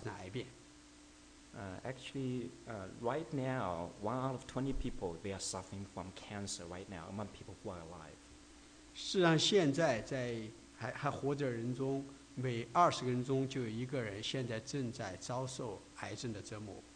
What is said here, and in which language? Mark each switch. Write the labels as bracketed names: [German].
[Chinese] 那么这也不一定是一个完全假想的问题，因为根据统计，在美国40%的人在他们的人生之中，在他们的身体的某一个部分都会有发生癌变。Actually, [English] right now, 1 out of 20 people they are suffering from cancer right now among people who are alive. [Chinese] 事实上，现在在 还活着人中，每20个人中就有一个人现在正在遭受癌症的折磨。